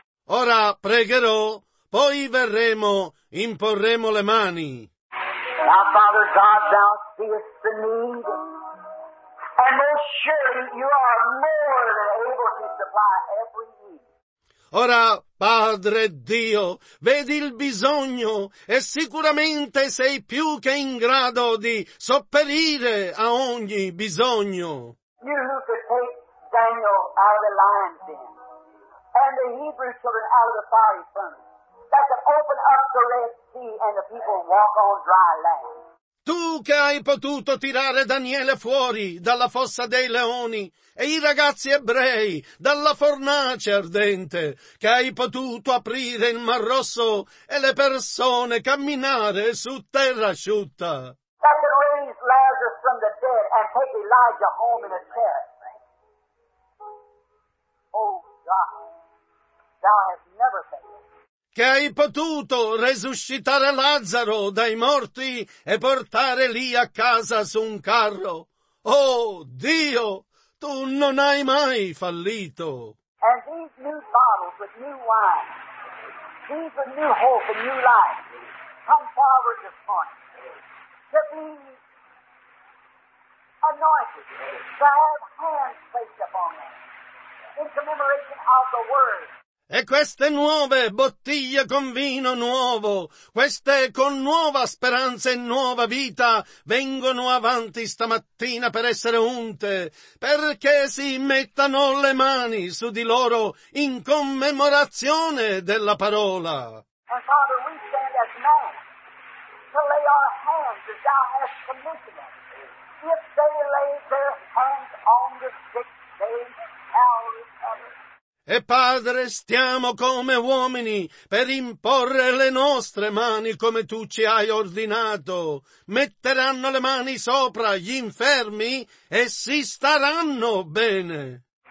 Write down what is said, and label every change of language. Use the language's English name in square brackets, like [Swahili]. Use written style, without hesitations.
[Italian] Ora pregherò, poi verremo, imporremo le mani. [English] Now, Father God, thou seest the need, and most surely you are more than able to supply every need. [Italian] Ora, Padre Dio, vedi il bisogno e sicuramente sei più che in grado di sopperire a ogni bisogno. [English] You who could take Daniel out of the lion's den and the Hebrew children out of the fiery furnace, that could open up the Red Sea and the people walk on dry land. [Italian] Tu che hai potuto tirare Daniele fuori dalla fossa dei leoni e i ragazzi ebrei dalla fornace ardente, che hai potuto aprire il Mar Rosso e le persone camminare su terra asciutta. [English] That can raise Lazarus from the dead and take Elijah home in a chariot. Oh God, thou hast never failed. [Italian] Che hai potuto resuscitare Lazzaro dai morti e portare lì a casa su un carro. Oh Dio, tu non hai mai fallito. [English] And these new bottles with new wine, these with new hope and new life, come forward this morning to be anointed, to have hands placed upon them in commemoration of the word. [Italian] E queste nuove bottiglie con vino nuovo, queste con nuova speranza e nuova vita, vengono avanti stamattina per essere unte, perché si mettano le mani su di loro in commemorazione della parola. [English] And Father, we stand as men to lay our hands as thou hast commissioned us. If they lay their hands on the sick, they shall recover. [Italian] E Padre, stiamo come uomini per imporre le nostre mani come tu ci hai ordinato. Metteranno le mani sopra gli infermi e si staranno bene.